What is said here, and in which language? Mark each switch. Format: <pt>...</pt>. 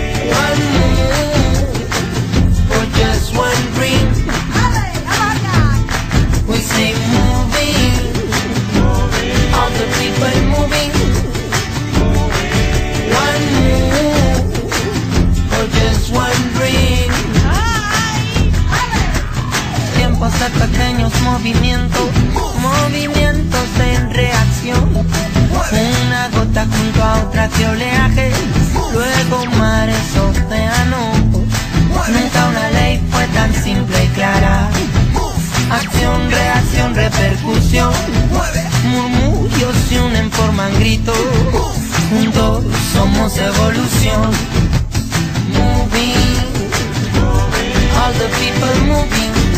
<en>One move for just one dream. We say moving, all the people moving. One move for just one dream.</en> <es>Tiempos de pequeños movimientos. Movimientos en reacción. Una gota junto a otra de oleaje. Luego mares, océanos. Nunca una ley fue tan simple y clara. Acción, reacción, repercusión. Murmullos se unen, forman gritos. Juntos somos evolución.</es> <en>Moving, all the people moving.</en>